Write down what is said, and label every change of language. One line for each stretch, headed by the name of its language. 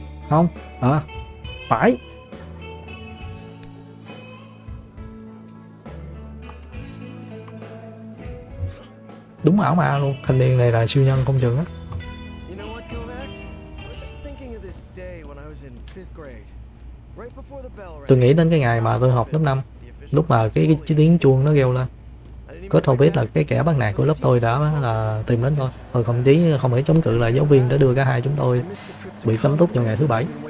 Vietnamese: Không, à, phải. Đúng ảo ma luôn, thanh niên này là siêu nhân không chừng á.
English: You know what, Kovacs? I was just thinking of this day when I was in fifth grade. Right before the bell rang.
Vietnamese: Tôi nghĩ đến cái ngày mà tôi học lớp 5, lúc mà cái tiếng chuông nó reo lên. Có thông biết là cái kẻ bắt nạt của lớp tôi đã là tìm đến tôi. Rồi không chí không thể chống cự là giáo viên đã đưa cả hai chúng tôi bị cấm túc vào ngày thứ bảy.